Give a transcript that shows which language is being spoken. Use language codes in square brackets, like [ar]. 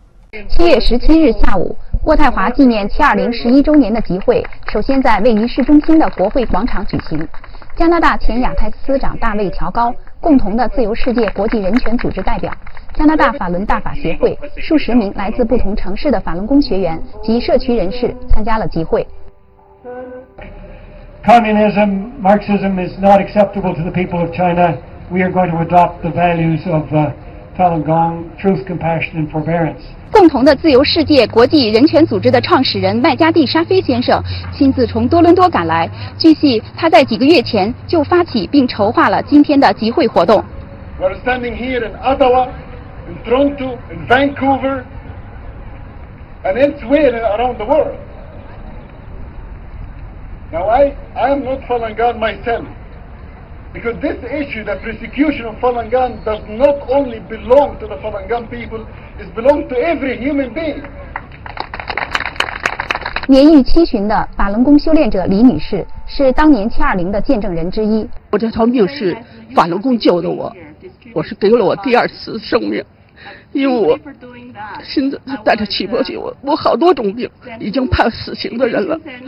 [zh] 7月17日下午，渥太华纪念720十一周年的集会首先在位于市中心的国会广场举行。加拿大前亚太司长大卫·乔高、共同的自由世界国际人权组织代表、加拿大法轮大法协会、数十名来自不同城市的法轮功学员及社区人士参加了集会。 [en] Communism, Marxism is not acceptable to the people of China. We are going to adopt the values of Falun Gong, truth, compassion, and forbearance. [zh] 共同的自由世界国际人权组织的创始人麦加蒂·沙菲先生亲自从多伦多赶来，据悉他在几个月前就发起并筹划了今天的集会活动。 [en] We are standing here in Ottawa, in Toronto, in Vancouver, and elsewhere around the world. Now I am not Falun Gong myself, because this issue, the persecution of Falun Gong, does not only belong to the Falun Gong peopleIt belongs to every human being. [zh] 年逾七旬的法轮功修炼者李女士是当年720的见证人之一。我这条命是法轮功救的我，我是给了我第二次生命，因为我心脏带着起搏器，我好多种病，已经判死刑的人了。